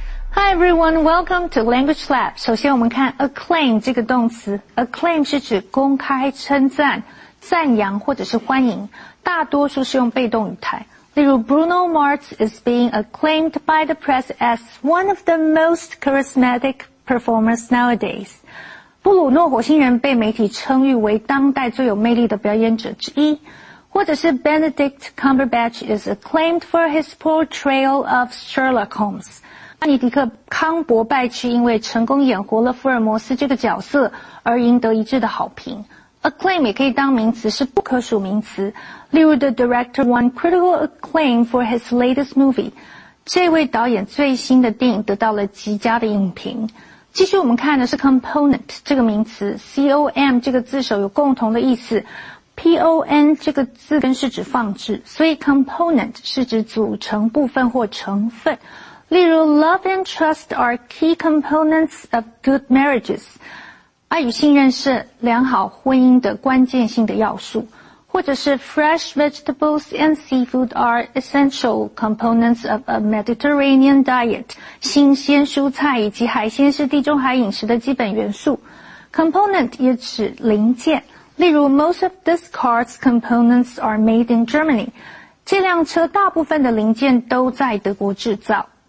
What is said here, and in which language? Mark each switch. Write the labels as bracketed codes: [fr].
[en] Hi everyone, welcome to Language Lab. [zh] 首先我们看 [en] acclaim [zh] 这个动词。 acclaim 是指公开称赞、赞扬或者是欢迎，大多数是用被动语态。例如 [en] Bruno Mars is being acclaimed by the press as one of the most charismatic performers nowadays. [zh] 布鲁诺火星人被媒体称誉为当代最有魅力的表演者之一。或者是 [en] Benedict Cumberbatch is acclaimed for his portrayal of Sherlock Holmes. [zh] 班尼迪克·康伯拜奇因为成功演活了福尔摩斯这个角色而赢得一致的好评。 Acclaim 也可以当名词，是不可数名词。例如 [en] ，The director won critical acclaim for his latest movie。 [zh] 这位导演最新的电影得到了极佳的影评。继续我们看的是 component 这个名词 ，com 这个字首有共同的意思 ，pon 这个字根是指放置，所以 component 是指组成部分或成分。例如 [en] ,love and trust are key components of good marriages. [zh] 爱与信任是良好婚姻的关键性的要素。或者是 [en] ,fresh vegetables and seafood are essential components of a Mediterranean diet. [zh] 新鲜蔬菜以及海鲜是地中海饮食的基本元素。 Component 也指零件。例如 [en] ,most of this car's components are made in Germany. [zh] 这辆车大部分的零件都在德国制造。